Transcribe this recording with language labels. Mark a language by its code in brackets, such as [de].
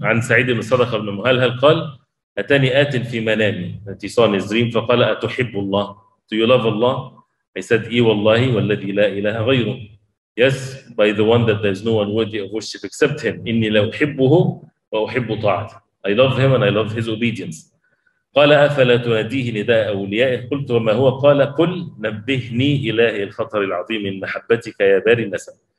[ar] عن سعيد بن صدقة بن مهلهل قال أتاني آت في منامي. [en] That he saw in his dream. [ar] فقال أتحب الله. [en] Do you love Allah? I said, [ar] إي والله والذي لا إله غيره. [en] Yes, by the one that there's no one worthy of worship except him. [ar] إني لأحبه وأحب طاعته. [en] I love him and I love his obedience. [ar] قال أفلا تناديه نداء أوليائه. قلت وما هو. قال قل نبهني إلهي الخطر العظيم من محبتك يا باري النسب.